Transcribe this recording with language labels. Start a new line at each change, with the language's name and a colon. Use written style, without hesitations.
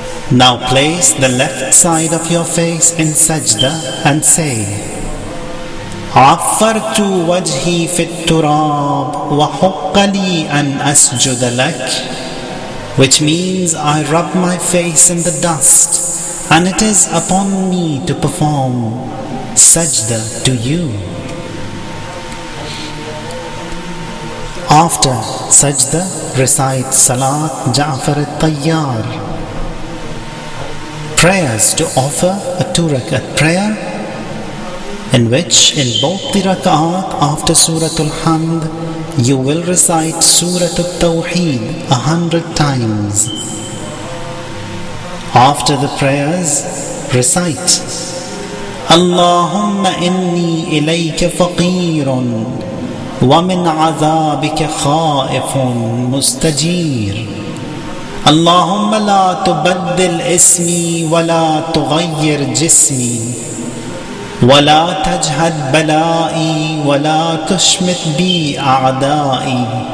English: Now place the left side of your face in sajda and say
Arabic: عفرت وجهي في التراب وحق لي أن أسجد لك.
English: Which means I rub my face in the dust and it is upon me to perform sajda to you. After sajda recite Salat Ja'far al-Tayyar. Prayers to offer a 2-rakat prayer in which in both the rak'at after Suratul Hamd you will recite Suratul Tawheed 100 times. After the prayers recite,
Arabic: اللهم إني إليك فقير ومن عذابك خائف مستجير اللهم لا تبدل اسمي ولا تغير جسمي ولا تجهد بلائي ولا تشمت بي أعدائي